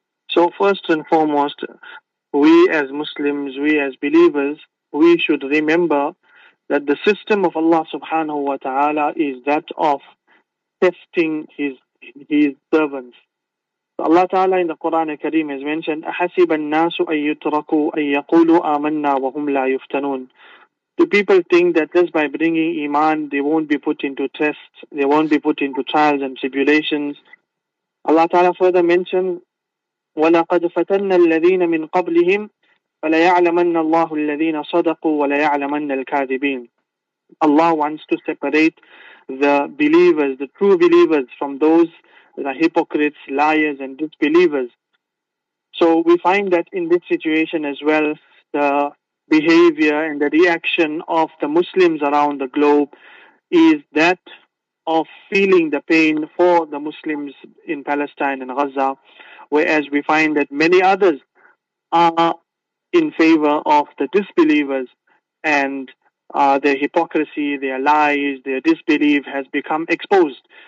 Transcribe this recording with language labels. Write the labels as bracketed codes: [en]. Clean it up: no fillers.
[en] So first and foremost, we as Muslims, we as believers, we should remember that the system of Allah subhanahu wa ta'ala is that of testing his servants. Allah ta'ala in the Quran al-Kareem has mentioned, [ar] أَحَسِبَ النَّاسُ أَن يُتْرَكُوا أَن يَقُولُوا آمَنَّا وَهُمْ لَا يُفْتَنُونَ. [en] Do people think that just by bringing iman, they won't be put into tests, they won't be put into trials and tribulations? Allah ta'ala further mentioned, [ar] وَلَقَدْ فَتَنَّ الَّذِينَ مِنْ قَبْلِهِمْ فَلَيَعْلَمَنَّ اللَّهُ الَّذِينَ صَدَقُوا وَلَيَعْلَمَنَّ الْكَاذِبِينَ. [en] Allah wants to separate the believers, the true believers, from those that are hypocrites, liars, and disbelievers. So we find that in this situation as well, the behavior and the reaction of the Muslims around the globe is that of feeling the pain for the Muslims in Palestine and Gaza, whereas we find that many others are in favor of the disbelievers, and their hypocrisy, their lies, their disbelief has become exposed.